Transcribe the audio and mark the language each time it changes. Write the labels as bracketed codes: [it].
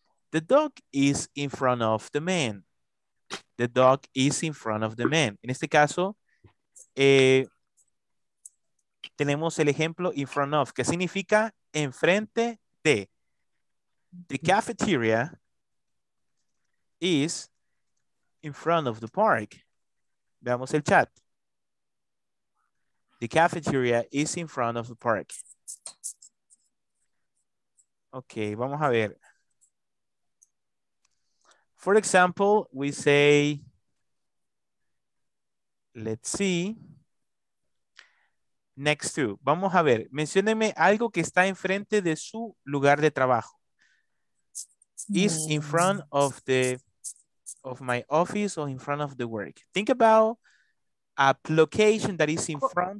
[en] The dog is in front of the man. The dog is in front of the man. [es] En este caso, tenemos el ejemplo in front of, que significa enfrente de. [en] The cafeteria is in front of the park. [es] Veamos el chat. [en] The cafeteria is in front of the park. [es] Ok, vamos a ver. [en] For example, we say, let's see, next to. [es] Vamos a ver, mencióneme algo que está enfrente de su lugar de trabajo. [en] Is in front of the, of my office or in front of the work. Think about a location that is in front.